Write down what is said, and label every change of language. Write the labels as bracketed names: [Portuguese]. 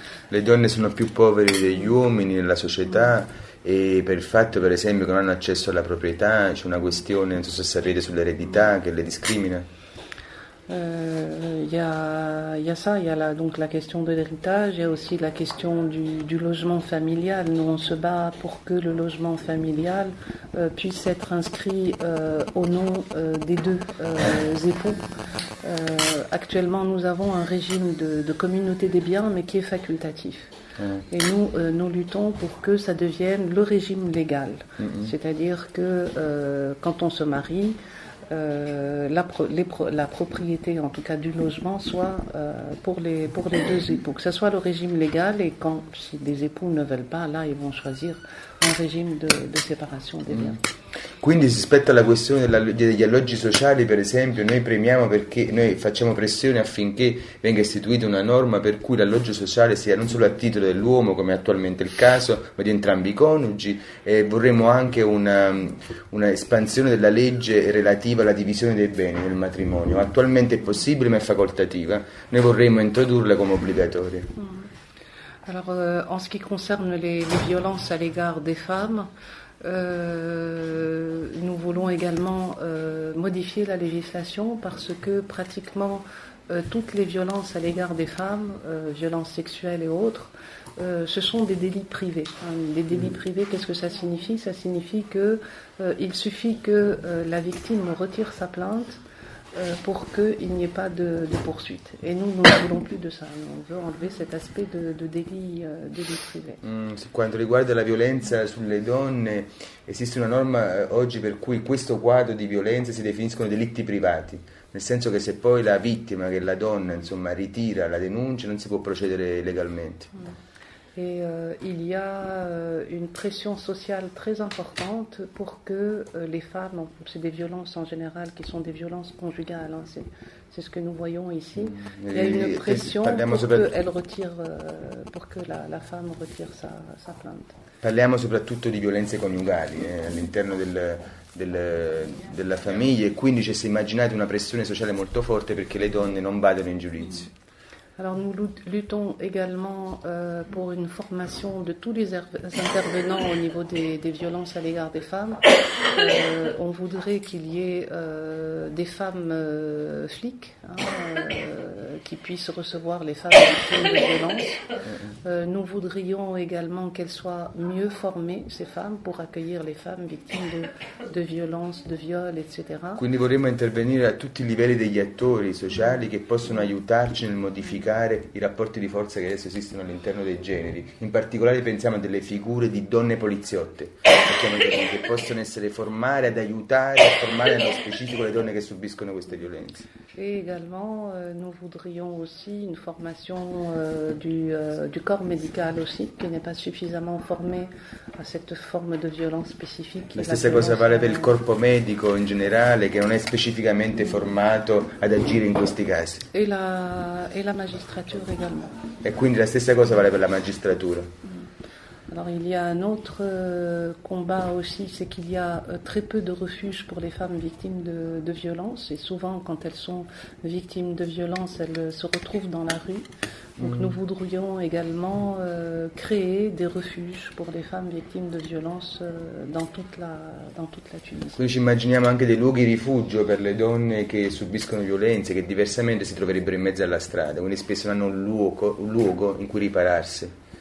[Italian] Les donne sono più povere degli uomini nella società. E per il fatto, per esempio, che non hanno accesso alla proprietà, c'è una questione, non so se sapete, sull'eredità che le discrimina. [French] Il y a ça, il y a donc la question de l'héritage, il y a aussi la question du logement familial. Nous, on se bat pour que le logement familial puisse être inscrit au nom des deux époux. Actuellement, nous avons un régime de communauté des biens, mais qui est facultatif. Mmh. Et nous, nous luttons pour que ça devienne le régime légal. Mmh. C'est-à-dire que quand on se marie, la propriété, en tout cas du logement, soit pour les deux époux. Que ce soit le régime légal, et quand si des époux ne veulent pas, là, ils vont choisir un régime de séparation des biens. [Italian] Quindi rispetto alla questione degli alloggi sociali, per esempio, noi premiamo perché noi facciamo pressione affinché venga istituita una norma per cui l'alloggio sociale sia non solo a titolo dell'uomo, come è attualmente il caso, ma di entrambi i coniugi, e vorremmo anche una espansione della legge relativa alla divisione dei beni nel matrimonio. Attualmente è possibile, ma è facoltativa. Noi vorremmo introdurla come obbligatoria. [French] Alors, en ce qui concerne les violences à l'égard des femmes, nous voulons également modifier la législation parce que pratiquement toutes les violences à l'égard des femmes, violences sexuelles et autres, ce sont des délits privés. Des délits privés, qu'est-ce que ça signifie? Ça signifie qu'il suffit que la victime retire sa plainte pour qu'il n'y ait pas de poursuite. Et nous, nous ne voulons plus de ça. On veut enlever cet aspect de délit privé. [Italian] Quanto riguarda la violenza sulle donne, esiste una norma oggi per cui questo quadro di violenza si definiscono delitti privati. Nel senso che se poi la vittima, che è la donna, insomma, ritira la denuncia, non si può procedere legalmente. [French] Et il y a une pression sociale très importante pour que les femmes, c'est des violences en général qui sont des violences conjugales, hein, c'est ce que nous voyons ici, il y a une pression pour que la femme retire sa plainte. [Italian] Parliamo soprattutto di violenze coniugali all'interno della famiglia, e quindi c'è, se immaginate, una pressione sociale molto forte perché le donne non vadano in giudizio. [French] Alors nous luttons également pour une formation de tous les intervenants au niveau des violences à l'égard des femmes. On voudrait qu'il y ait des femmes flics qui puissent recevoir les femmes victimes de violences. Nous voudrions également qu'elles soient mieux formées, ces femmes, pour accueillir les femmes victimes de violences, de viols, etc. [Italian] Quindi vorremmo intervenire a tutti i livelli degli attori sociali che possono aiutarci nel modificare i rapporti di forza che adesso esistono all'interno dei generi. In particolare pensiamo a delle figure di donne poliziotte che possono essere formare ad aiutare a formare nello specifico le donne che subiscono queste violenze. [French] E également nous voudrions aussi une formation du corps médical aussi, qui n'est pas suffisamment formé a cette forme de violence spécifique. [Italian] La stessa cosa vale per il corpo medico in generale, che non è specificamente formato ad agire in questi casi. [French] E la magistrature également. [Italian] E quindi la stessa cosa vale per la magistratura. [French] Alors il y a un autre combat aussi, c'est qu'il y a très peu de refuges pour les femmes victimes de violences, et souvent quand elles sont victimes de violences, elles se retrouvent dans la rue. Donc nous voudrions également créer des refuges pour les femmes victimes de violences dans toute la Tunisie. [Italian] Quindi ci immaginiamo anche dei luoghi rifugio per le donne che subiscono violenze, che diversamente si troverebbero in mezzo alla strada, quindi spesso hanno un luogo in cui ripararsi.